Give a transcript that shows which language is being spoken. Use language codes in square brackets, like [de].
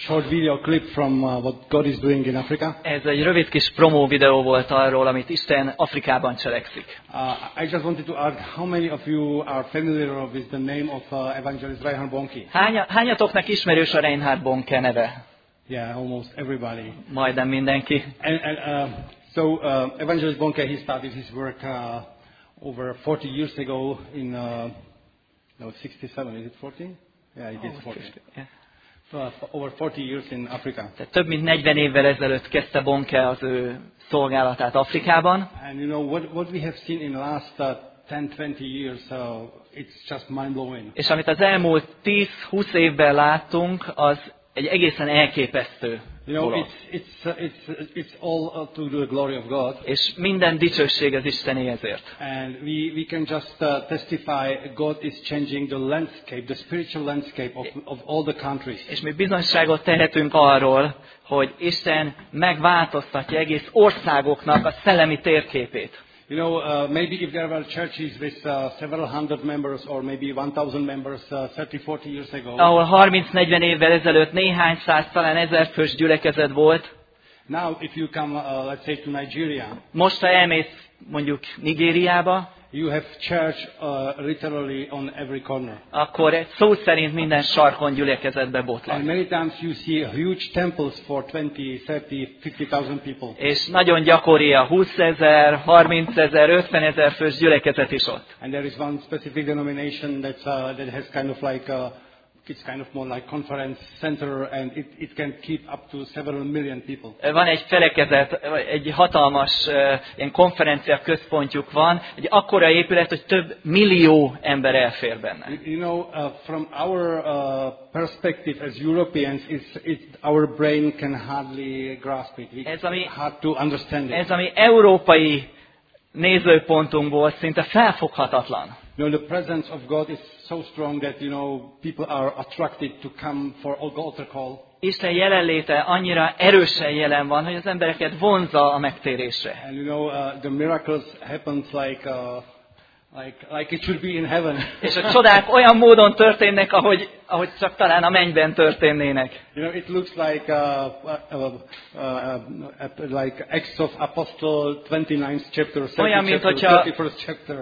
[en] Video clip from what God is doing in Africa. [hu] Ez egy rövid kis promó videó volt arról, amit Isten Afrikában cselekszik. [en] I just wanted to ask how many of you are familiar with the name of evangelist Reinhard Bonnke. [hu] Hányatoknak ismerős a Reinhard Bonnke neve? [en] Yeah, almost everybody. [hu] Majdnem mindenki. [en] So evangelist Bonnke, he started his work over 40 years ago in 67, is it 40? Yeah, it is 40. Yeah. Over 40 years in Africa. [hu] Tehát több mint 40 évvel ezelőtt kezdte Bonnke az ő szolgálatát Afrikában. [en] And you know what we have seen in the last 10-20 years, it's just mind-blowing. [hu] És amit az elmúlt 10-20 évben láttunk, az egy egészen elképesztő. [en] You know, it's all to the glory of God. [hu] És minden dicsőség az Istené ezért. [en] And we can just testify God is changing the landscape, the spiritual landscape of all the countries. [hu] És mi bizonyságot tehetünk arról, hogy Isten megváltoztatja egész országoknak a szellemi térképét. [en] You know, maybe if there were churches with several hundred members or maybe 1,000 members 30-40 years ago. [hu] Ahol 30-40 évvel ezelőtt néhány száz, talán ezer fős gyülekezet volt. [en] Now if you come let's say to Nigeria. [hu] Most ha elmész mondjuk Nigériába, [en] you have church literally on every corner. [hu] Akkor szó szerint minden sarkon gyülekezetbe botlik. [en] And many times you see huge temples for 20, 30, 50,000 people. [hu] És nagyon gyakori a 20,000, 30,000, 50,000 fős gyülekezet is ott. [en] And there is one specific denomination that's that has kind of like a it's kind of more like conference center and it can keep up to several million people. [hu] Van egy felekezet, egy hatalmas ilyen konferencia központjuk van, egy akkora épület, hogy több millió ember elfér benne. [en] You know, from our perspective as Europeans, it's our brain can hardly grasp it. It's hard to understand it. [hu] Ez ami európai nézőpontunkból szinte felfoghatatlan. [en] You know, the presence of God is so strong that you know people are attracted to come for an altar call. [hu] Isten jelenléte annyira erősen jelen van, hogy az embereket vonza a megtérésre. [en] And you know the miracles happens like it should be in heaven. [hu] És a csodák olyan módon történnek, ahogy csak talán a mennyben történnének. [en] You know, it looks like Acts of Apostle 29th chapter, 31st chapter.